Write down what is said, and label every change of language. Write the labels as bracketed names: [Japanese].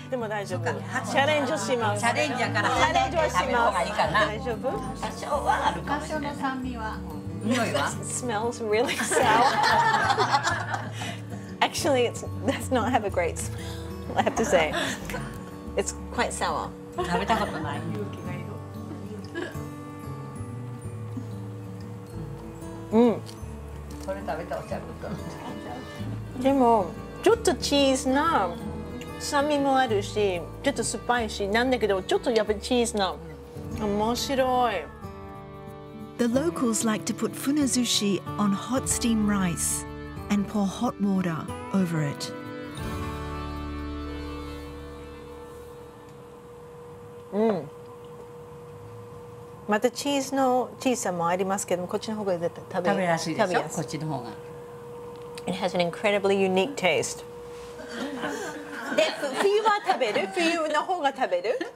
[Japanese] でも大丈夫。チャレンジします。チャレンジやから。チャレンジはします。食べ方がいいかな。大丈夫？多少はあるかもしれない。多少の酸味は。匂いは？ [English] Smells really sour. Actually, it does not have a great smell. I have to say, it's quite sour. [Japanese] 食べたことない。うん。でもちょっとチーズな酸味もあるしちょっと酸っぱいしなんだけどちょっとやっぱりチーズな面白い。 [English] The locals like to put funazushi on hot steam rice and pour hot water over it. [Japanese] うん、またチーズの小さもありますけどもこっちの方が絶対食べやすいでしょ。こっちの方が [English] It has an incredibly unique taste. [Japanese] で、冬は食べる？冬の方が食べる？